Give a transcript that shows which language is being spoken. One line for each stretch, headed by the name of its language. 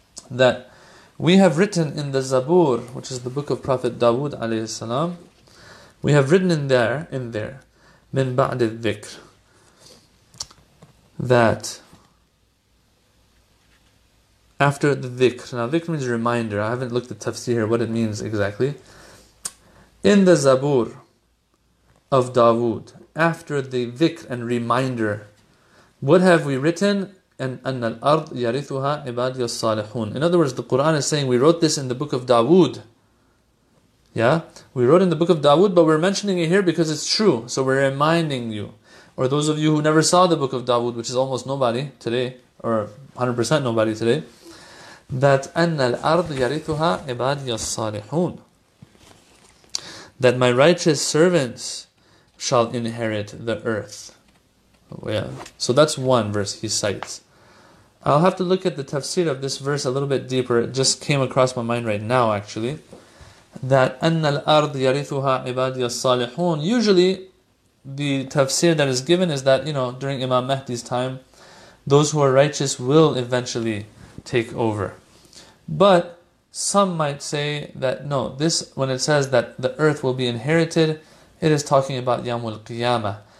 English: That we have written in the Zabur, which is the book of Prophet Dawood alayhi salam, we have written in there,
Arabic: min ba'd al-dhikr,
English: that after the dhikr, now dhikr means reminder, I haven't looked at tafsir, what it means exactly, in the Zabur of Dawood, after the dhikr and reminder, what have we written?
Arabic: And أَنَّ الْأَرْضِ يَرِثُهَا عِبَادِيَ الصَّالِحُونَ.
English: In other words, the Qur'an is saying, we wrote this in the book of Dawood. Yeah? We wrote in the book of Dawood, but we're mentioning it here because it's true. So we're reminding you. Or those of you who never saw the book of Dawood, which is almost nobody today, or 100% nobody today, that
Arabic: أَنَّ الْأَرْضِ يَرِثُهَا عِبَادِيَ الصَّالِحُونَ.
English: That my righteous servants shall inherit the earth. Oh, yeah. So that's one verse he cites. I'll have to look at the tafsir of this verse a little bit deeper. It just came across my mind right now, actually.
Arabic: That أَنَّ الْأَرْضِ يَرِثُهَا عِبَادِيَ الصَّالِحُونَ.
English: Usually, the tafsir that is given is that, you know, during Imam Mahdi's time, those who are righteous will eventually take over. But some might say that, no, this, when it says that the earth will be inherited, it is talking about يَوْمُ الْقِيَامَةِ.